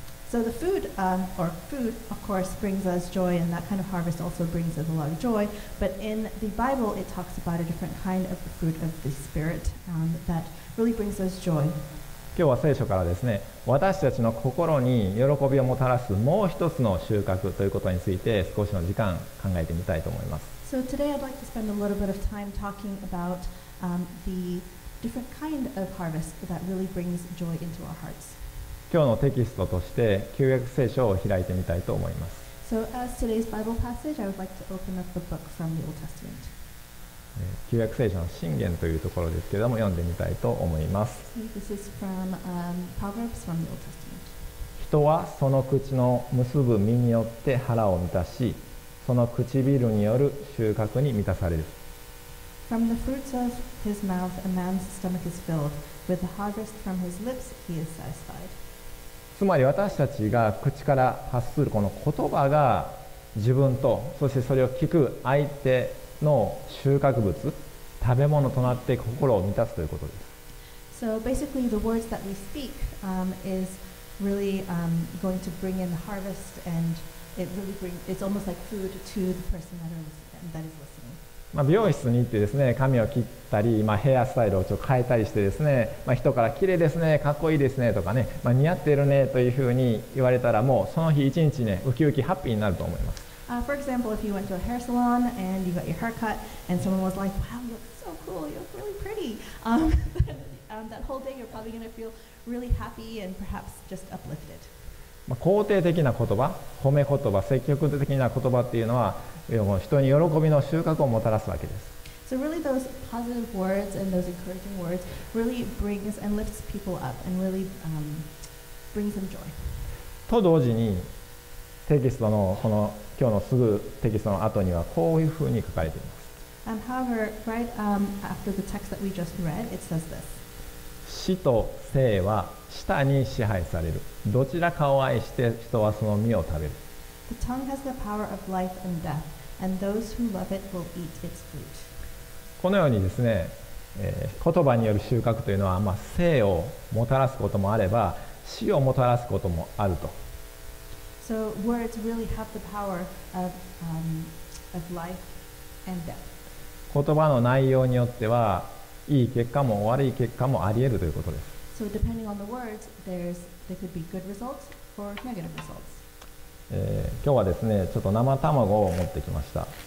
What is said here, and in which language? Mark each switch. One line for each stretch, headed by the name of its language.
English: So the food, or food, of course, brings us joy, and that kind of harvest also brings us a lot of joy. But in the Bible, it talks about a different kind of fruit of the Spirit, that really brings us joy.
Japanese: 今日は聖書からですね、私たちの心に喜びをもたらすもう一つの収穫ということについて少しの時間考えてみたいと思います。
English: So today I'd like to spend a little bit of time talking about, the different kind of harvest that really brings joy into our hearts.
Japanese: 今日のテキストとして旧約聖書を開いてみたいと思います。
English: So as today's Bible passage, I would like to open up the book from the Old Testament.
Japanese: 旧約聖書の箴言というところですけれども、読んでみたいと思います。
English: This is from Proverbs from the Old Testament.
Japanese: 人はその口の結ぶ実によって腹を満たし、その唇による収穫に満たされる。
English: From the fruits of his mouth, a man's stomach is filled. With the harvest from his lips, he is satisfied.
Japanese: つまり私たちが口から発するこの言葉が自分と、そしてそれを聞く相手の収穫物、食べ物となって心を満たすということです。
English: So basically the words that we speak is really going to bring in the harvest and it really brings, it's almost like food to the person that is listening.
Japanese: まあ、美容室に行ってですね、髪を切ったり、まあ、ヘアスタイルをちょっと変えたりしてですね、まあ、人から綺麗ですね、かっこいいですねとかね、まあ、似合ってるねというふうに言われたら、もうその日一日ね、ウキウキハッピーになると思います。
English: For example, if you went to a hair salon and you got your hair cut and someone was like, wow, you look so cool, you look really pretty. that whole day you're probably going to feel really happy and perhaps just uplifted.
Japanese: まあ、肯定的な言葉、褒め言葉、積極的な言葉っていうのは、人に喜びの収穫をもたらすわけです。
English: So really those positive words and those encouraging words really brings and lifts people up and really brings them joy.
Japanese: と同時に、テキストのこの今日のすぐテキストの後にはこういうふうに書かれています。
English: However, right after the text that we just read, it says this.
Japanese: 死と生は舌に支配される。どちらかを愛して人はその実を食べる。
English: The tongue has the power of life and death, and those who love it will eat its fruit.
Japanese: このようにですね、言葉による収穫というのは、まあ、生をもたらすこともあれば死をもたらすこともあると。
English: So words really have the power of life and death.
Japanese: 言葉の内容によってはいい結果も悪い結果もあり得るということです。
English: So depending on the words, there could be good results or negative results.
Japanese: 今日はですね、ちょっと生卵を持ってきました。